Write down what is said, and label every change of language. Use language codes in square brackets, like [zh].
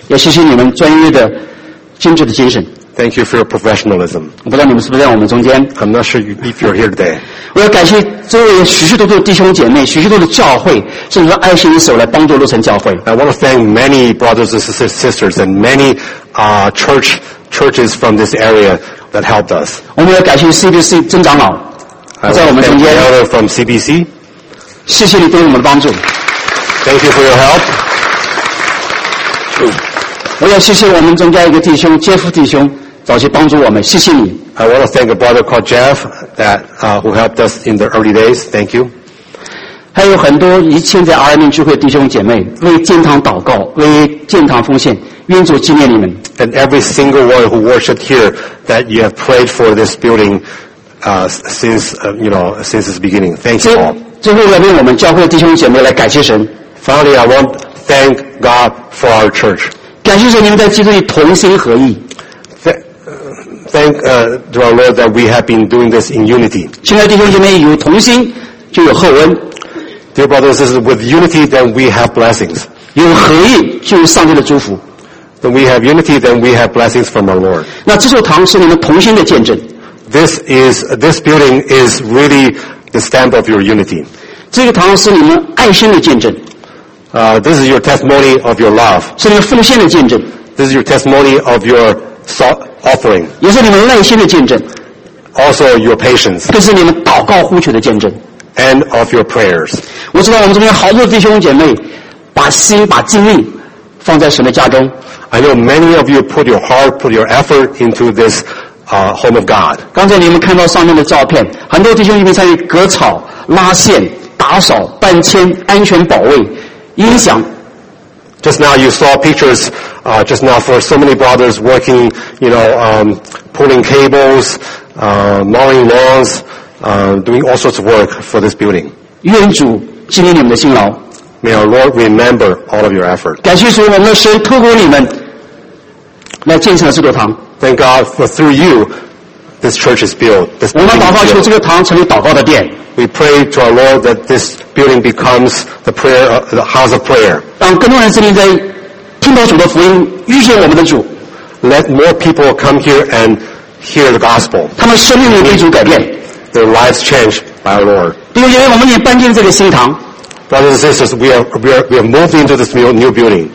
[zh] 也谢谢你们专业的精致的精神。 [en] Thank you for your professionalism. [zh] 不知道你们是不是在我们中间。 [en] I'm not sure if you're here today. [zh] 我要感谢周围许许多多的弟兄姐妹，许许多的教会，甚至说爱心一手来帮助路程教会。 [en] I want to thank many brothers and sisters and many churches from this area that helped us. [zh] 我们要感谢 CBC 曾长老，在我们中间。 [en] I want to thank the elder from CBC. [zh] 谢谢你对我们的帮助。 [en] Thank you for your help. [zh] 我要谢谢我们中间一个弟兄，杰夫弟兄。早期帮助我们，谢谢你。 [en] I want to thank a brother called Jeff that who helped us in the early days. Thank you. [zh] 还有很多一切在 RM 聚会弟兄姐妹为建堂祷告，为建堂奉献，愿主纪念你们。 [en] And every single one who worshipped here that you have prayed for this building since its beginning. Thank you all. [zh] 最后要为我们教会弟兄姐妹来感谢神。 [en] Finally, I want to thank God for our church. [zh] 感谢神，你们在基督里同心合意。 [en] Thank to our Lord that we have been doing this in unity. [zh] 亲爱的弟兄姐妹，有同心就有厚恩。 [en] Dear brothers, this is with unity then we have blessings. [zh] 有合意就有上帝的祝福。 [en] Then we have unity then we have blessings from our Lord. [zh] 那这座堂是你们同心的见证。 [en] This building is really the stamp of your unity. [zh] 这个堂是你们爱心的见证。 [en] This is your testimony of your love. [zh] 是你们奉献的见证。 [en] This is your testimony of your offering. [zh] 也是你们耐心的见证。 [en] Also your patience. [zh] 更是你们祷告呼求的见证。 [en] And of your prayers. [zh] 我知道我们这边好多弟兄姐妹把心把精力放在神的家中。 [en] I know many of you put your heart, put your effort into this home of God. [zh] 刚才你们看到上面的照片，很多弟兄姐妹参与割草、拉线、打扫、搬迁、安全保卫、音响。 [en] Just now you saw pictures, just now for so many brothers working, pulling cables, mowing lawns, doing all sorts of work for this building. [zh] 愿主纪念你们的辛劳。 [en] May our Lord remember all of your effort. [zh] 感谢主，我们的神透过你们来建成了这座堂。 [en] Thank God for through you, this church is built. This [zh] 我们祷告求这个堂成为祷告的殿。 [en] We pray to our Lord that this building becomes the house of prayer. [zh] 当更多人圣灵在听到主的福音，遇见我们的主。 [en] Let more people come here and hear the gospel. [zh] 他们生命被主改变。 [en] Their lives changed by our Lord. [zh] 弟兄姐妹，我们也搬进这个新堂。 [en] Brothers and sisters, we are moved into this new building.